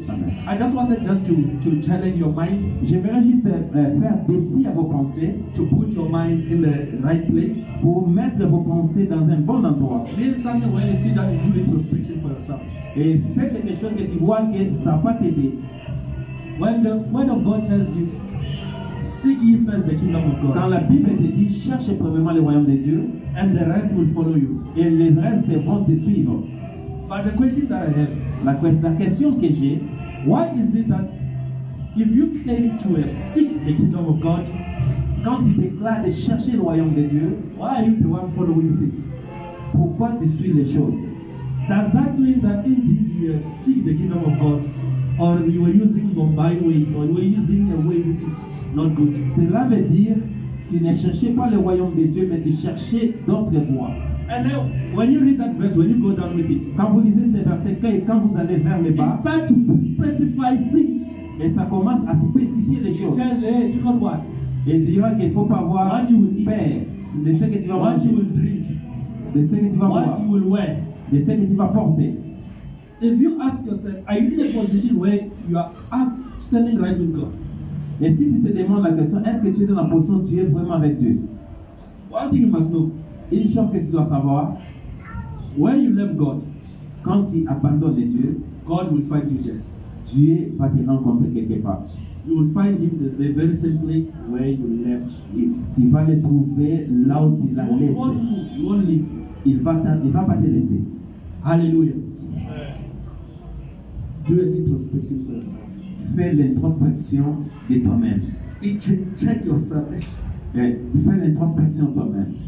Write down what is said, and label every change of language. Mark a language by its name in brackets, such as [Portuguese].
[English] Amen. I just wanted just to challenge your mind. [French] J'aimerais juste faire défi à vos pensées. [English] To put your mind in the right place. [French] Pour mettre vos pensées dans un bon endroit. [English] Feel something when you see that you do introspection for yourself. [French] Et fais quelque chose que tu vois que ça va t'aider. [English] When the word of God tells you, seek ye first the kingdom of God. [French] Quand la Bible te dit, cherche premièrement le royaume de Dieu. [English] And the rest will follow you. [French] Et les restes vont te suivre. [English] But the question that I have, [French] la question que j'ai, [English] why is it that if you claim to have seek the kingdom of God, [French] quand tu déclares de chercher le royaume de Dieu, [English] why are you the one following things? [French] Pourquoi tu suis les choses? [English] Does that mean that indeed you have seek the kingdom of God, or you are using Bombay way, or you are using a way which is not good? [French] Cela veut dire tu ne cherchais pas le royaume de Dieu, mais tu cherchais d'autres voies. [English] And then, when you read that verse, when you go down with it, [French] quand vous lisez ces versets, quand vous allez vers le bas, [English] it starts to specify things. [French] Et ça commence à spécifier les choses. [English] It says, hey, you got what? [French] Et dira qu'il ne faut pas voir [English] what you will eat, [French] de ce que tu vas [English] what [French] manger, [English] you will drink, [French] de ce que tu vas [English] what [French] boire, [English] you will wear, [French] de ce que tu vas porter. [English] If you ask yourself, are you in a position where you are standing right with God? [French] Et si tu te demandes la question, est-ce que tu es dans la position où tu es vraiment avec Dieu? [English] One thing you must know. [French] Une chose que tu dois savoir, [English] when you leave God, [French] quand tu abandonnes Dieu, [English] God will find you there. [French] Dieu va te rencontrer quelque part. [English] You will find him in the very same place where you left him. [French] Tu vas le trouver là où tu l'as laissé. [English] You won't leave. [French] Il va pas te laisser. [English] Hallelujah. Do an introspection first. [French] Fais l'introspection de toi-même. [English] Check yourself. [French] Et fais l'introspection toi-même.